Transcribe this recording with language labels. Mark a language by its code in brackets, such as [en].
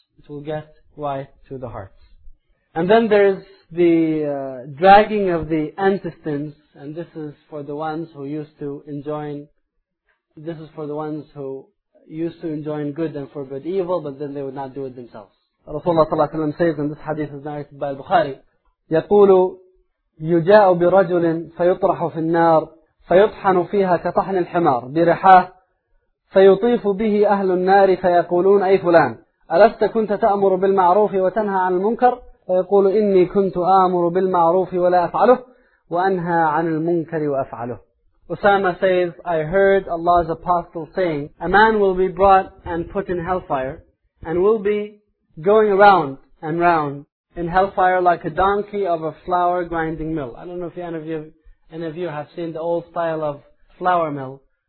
[en] It will get right to the hearts. And then there is the dragging of the intestines. And this is for the ones who used to enjoin. This is for the ones who used to enjoin good and forbid evil, but then they would not do it themselves. [ar] Rasulullah صلى الله عليه وسلم [en] says, and this hadith is narrated by Bukhari, [ar] يقول يجاء برجل فيطرح في النار فيطحن فيها كطحن الحمار برحاه فيطيف به أهل النار فيقولون أي فلان ألست كنت تأمر بالمعروف وتنهى عن المنكر فيقول إني كنت آمر بالمعروف ولا أفعله وأنهى عن المنكر وأفعله. [en] Usama says, I heard Allah's apostle saying, a man will be brought and put in hellfire and will be going around and round in hellfire like a donkey of a flour grinding mill. I don't know if any of you have seen the old style of flour mill.